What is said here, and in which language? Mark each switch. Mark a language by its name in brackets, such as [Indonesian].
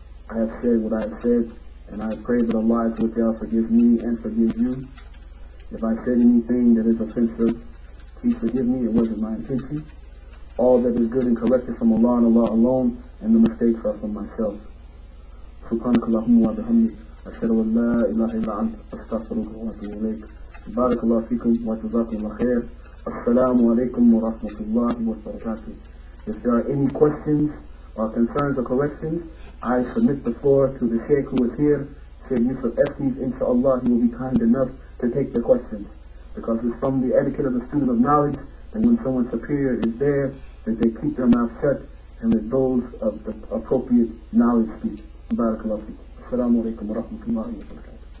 [English] I have said what I have said, and I pray that Allah with y'all forgive me and forgive you. If I said anything that is offensive, please forgive me, it wasn't my intention. All that is good and correct is from Allah and Allah alone, and the mistakes are from myself. [Arabic] سبحانك اللهم وبحمدك أشهد أن لا إله إلا أنت أستغفرك وأتوب إليك بارك الله فيكم وجزاكم الله خير السلام عليكم ورحمة الله وبركاته. [English] If there are any questions or concerns or corrections, I submit the floor to the Sheikh who is here. Sheikh Yusuf Efnis, inshallah, he will be kind enough to take the questions. Because it's from the etiquette of the student of knowledge that when someone superior is there, that they keep their mouth shut and that those of the appropriate knowledge speak. [Arabic] بارك الله فيك السلام عليكم ورحمة الله وبركاته.